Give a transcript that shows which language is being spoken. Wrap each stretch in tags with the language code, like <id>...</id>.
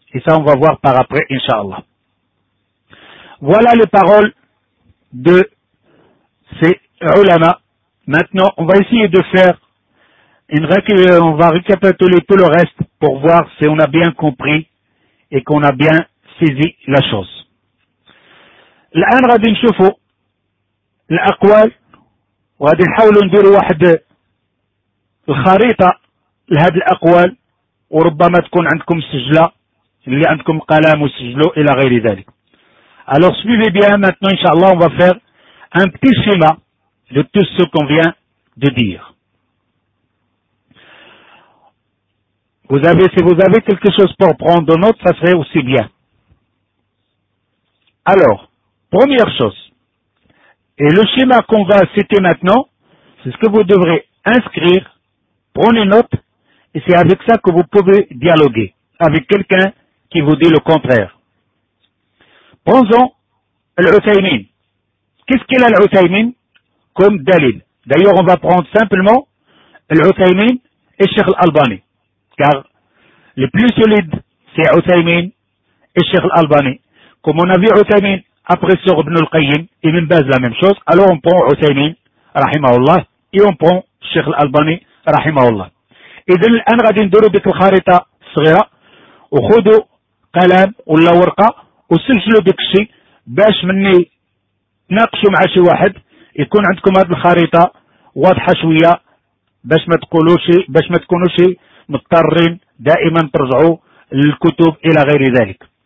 <fr>Et ça, on va voir par après, Inch'Allah. Voilà les paroles de ces ulama. Maintenant, on va essayer de faire une on va récapituler tout le reste pour voir si on a bien compris et qu'on a bien saisi la chose.</fr> <ar>الآن غادي نشوفوا الأقوال وغادي نحاولوا نديروا واحد الخريطة لهذه الأقوال وربما تكون عندكم سجلة اللي عندكم قلم وسجلوا إلى غير ذلك.</ar> <fr>Alors suivez bien maintenant, Inch'Allah, on va faire un petit schéma de tout ce qu'on vient de dire. Vous avez, si vous avez quelque chose pour prendre de notes, ça serait aussi bien. Alors, première chose, et le schéma qu'on va citer maintenant, c'est ce que vous devrez inscrire, prenez note, et c'est avec ça que vous pouvez dialoguer avec quelqu'un qui vous dit le contraire. Prenons-en l'Uthaymin. Qu'est-ce qu'il a l'Uthaymin comme dalil? D'ailleurs, on va prendre simplement l'Uthaymin et Cheikh Al-Albani. Car le plus solide, c'est l'Uthaymin et Cheikh Al-Albani. Comme on a vu l'Uthaymin après sur Ibn al-Qayyim, il même base la même chose. Alors, on prend l'Uthaymin, rahimahullah, et on prend Cheikh Al-Albani, rahimahullah. Et donc, on va faire une</fr> <ar>charita sghira.</ar> <fr>On va prendre un qalam ou la warqa.</fr> <ar>وسجلوا ديك الشيء باش مني تناقشوا مع شي واحد يكون عندكم هذه الخريطه واضحه شويه باش ما تقولوش باش ما تكونوش مضطرين دائما ترجعوا للكتب الى غير ذلك.</ar>